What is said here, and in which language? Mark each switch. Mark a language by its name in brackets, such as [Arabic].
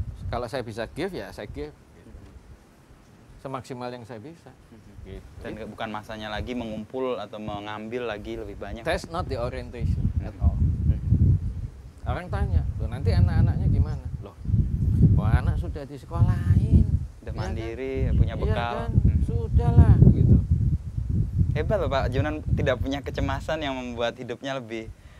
[Indonesian] Kalau saya bisa give ya saya give. Semaksimal yang saya bisa. Dan gitu. Bukan masanya lagi mengumpul atau mengambil lagi lebih banyak. [English] That's not the orientation at all. [Indonesian] Orang tanya, "Loh, nanti anak-anaknya gimana?" Wah, anak sudah di sekolahin, sudah ya mandiri, kan? Punya bekal. Ya kan? Sudahlah gitu. Hebat loh Pak Junan, tidak punya kecemasan yang membuat hidupnya lebih